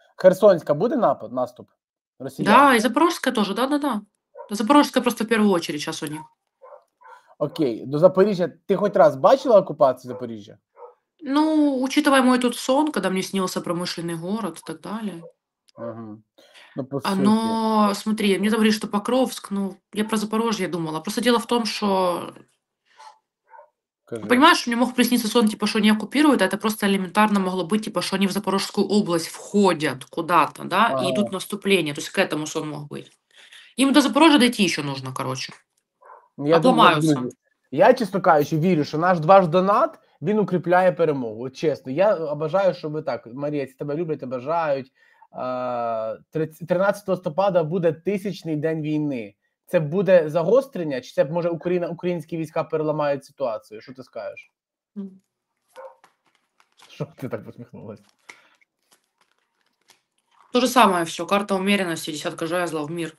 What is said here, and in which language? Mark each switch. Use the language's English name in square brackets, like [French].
[Ukrainian] Херсонська буде напад, наступ? Росія? Да, і Запорожська теж, да. Запорожська просто в першу чергу зараз у них. Окей, до Запоріжжя. Ти хоч раз бачила окупацію Запоріжжя? [Russian] Ну, учитывая мой тут сон, [Ukrainian] коли мені снився [Russian] промышленний город і так далі. Угу. Ну, оно, смотри, мне говорили, что Покровск, ну, я про Запорожье думала. Просто дело в том, что, понимаешь, мне мог присниться сон, типа, что они оккупируют, а это просто элементарно могло быть, типа, что они в Запорожскую область входят куда-то, да, и идут наступление. То есть к этому сон мог быть. Им до Запорожья дойти еще нужно, короче. Я обломаются. Я, честно говоря, верю, что наш ваш донат, он укрепляет перемогу, честно. Я обожаю, чтобы так, Мария, тебя любят, обожают. [Ukrainian] 13 листопада буде тисячний день війни. Це буде загострення, чи це може Україна, українські війська переламають ситуацію? Що ти скажеш? Що ти так посміхнулася? То же саме все. Карта умеренності, десятка жезлів в мир.